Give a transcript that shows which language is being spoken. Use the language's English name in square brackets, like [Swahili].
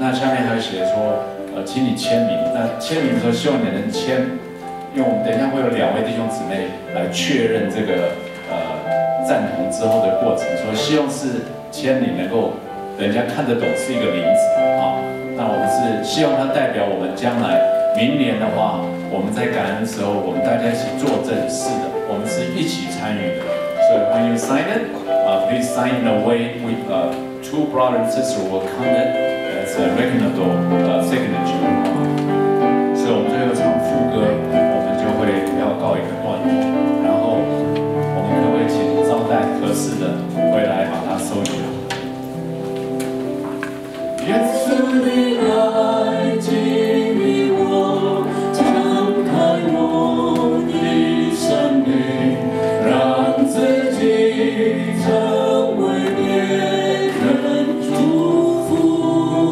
[Chinese] 那下面还写说，请你签名。那签名的时候，希望你能签，因为我们等一下会有两位弟兄姊妹来确认这个赞同之后的过程，所以希望是签名能够人家看得懂是一个名字啊。那我们是希望它代表我们将来明年的话，我们在感恩的时候，我们大家一起做正事的，我们是一起参与的。所以 [English] when you sign it, please sign in a way we two brothers and sisters will come in. Recognizable signature. [Chinese] 所以我们最后唱副歌，我们就会要告一个段落，然后我们可不可以请招待合适的回来把它收起来。耶稣的爱激励我，敞开我的生命，让自己成为别人祝福。